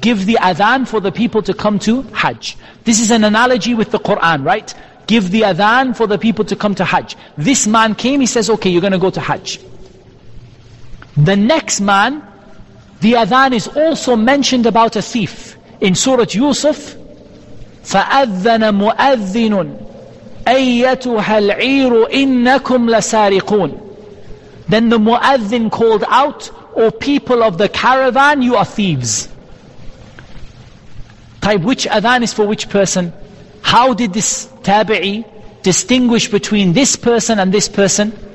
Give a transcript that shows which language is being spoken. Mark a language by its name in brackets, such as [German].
[English] Give the adhan for the people to come to Hajj. This is an analogy with the Quran, right? Give the adhan for the people to come to Hajj. This man came, he says, okay, you're going to go to Hajj. The next man, the adhan is also mentioned about a thief. In Surah Yusuf, [Arabic] فَأَذَّنَ مُؤَذِّنٌ أَيَّتُهَا الْعِيرُ إِنَّكُمْ لَسَارِقُونَ. [English] Then the muadhin called out, O people of the caravan, you are thieves. Type, which adhan is for which person? How did this tabi'i distinguish between this person and this person?